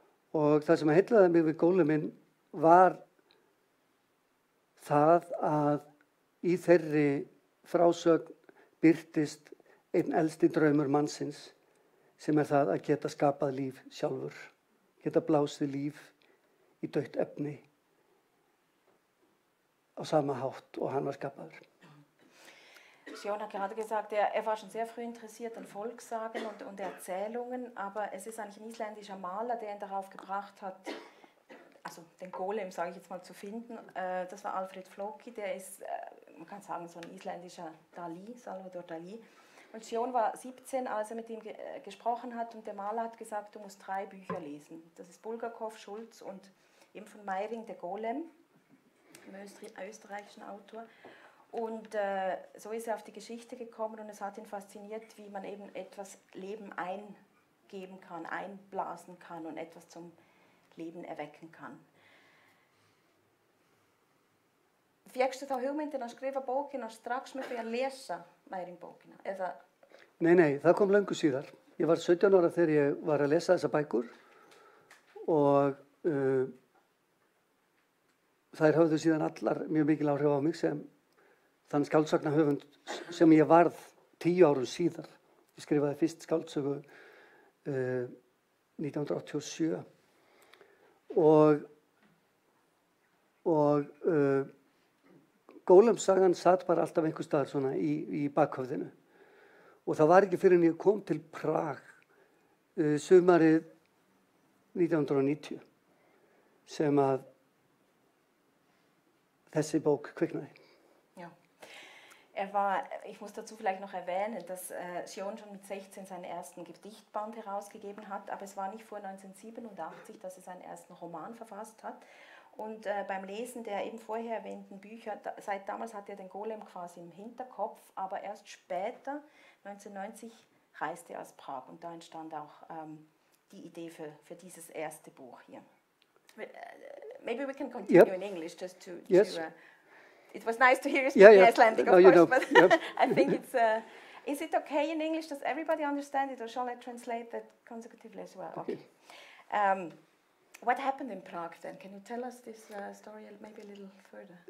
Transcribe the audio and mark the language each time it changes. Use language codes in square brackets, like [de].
[is] Og það sem að heillaði mig við Góleminn var það að í þeirri frásögn birtist einn elsti draumur mannsins sem það að geta skapað líf sjálfur, geta blásið líf í dautt efni á sama hátt og hann var skapaður. [de] Sion hat gerade gesagt, er war schon sehr früh interessiert an Volkssagen und Erzählungen, aber es ist eigentlich ein isländischer Maler, der ihn darauf gebracht hat, also den Golem, sage ich jetzt mal, zu finden. Das war Alfred Flóki, der ist, man kann sagen, so ein isländischer Dalí, Salvador Dalí. Und Sion war 17, als er mit ihm gesprochen hat und der Maler hat gesagt, du musst drei Bücher lesen. Das ist Bulgakov, Schulz und eben von Meyring, der Golem, dem österreichischen Autor. Und so ist er auf die Geschichte gekommen und es hat ihn fasziniert, wie man eben etwas Leben eingeben kann, einblasen kann und etwas zum Leben erwecken kann. [is] Fiegst du þá hugmyndin að skrifa bókina strax með því að lesa mæring bókina? Nei, nei, það kom löngu síðar. Ég var 17 ára þegar ég var að lesa þessa bækur og þær höfðu síðan allar mjög mikil áhrif á mig sem þann skáldsagnahöfund sem ég varð 10 árum síðar. Ég skrifaði fyrst skáldsögu 1987 og Gólemsagan satt bara alltaf einhvers staðar svona í bakhöfðinu og það var ekki fyrir en ég kom til Prag sumarið 1990 sem að þessi bók kviknaði. [de] Er war, ich muss dazu vielleicht noch erwähnen, dass Sion schon mit 16 seinen ersten Gedichtband herausgegeben hat, aber es war nicht vor 1987, dass er seinen ersten Roman verfasst hat. Und beim Lesen der eben vorher erwähnten Bücher, seit damals hat er den Golem quasi im Hinterkopf, aber erst später, 1990, reiste er aus Prag und da entstand auch die Idee für dieses erste Buch hier. [en] Maybe we can continue in English, just to... It was nice to hear you speak Icelandic, of course, but I think it's... is it okay in English? Does everybody understand it, or shall I translate that consecutively as well? Okay. What happened in Prague then? Can you tell us this story maybe a little further?